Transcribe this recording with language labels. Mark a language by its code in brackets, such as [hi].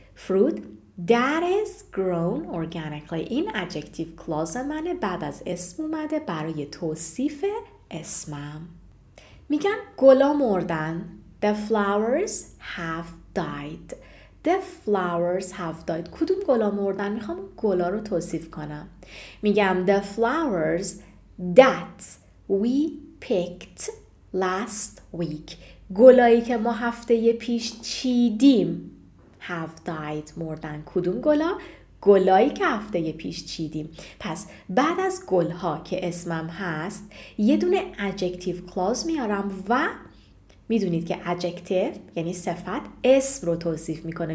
[fa] فروت [en] that is grown organically [fa] این adjective clause منه، بعد از اسم اومده برای توصیف اسمم. میگم گلا مردن، [en] the flowers have died، The flowers have died. [fa] کدوم گلا مردن؟ میخوام گلا رو توصیف کنم. میگم [en] the flowers that we picked last week. [fa] گلایی که ما هفته پیش چیدیم [en] have died [fa] مردن. کدوم گلا؟ گلایی که هفته پیش چیدیم. پس بعد از گلها که اسمم هست یه دونه adjective clause میارم و میدونید که adjective یعنی صفت اسم رو توصیف میکنه.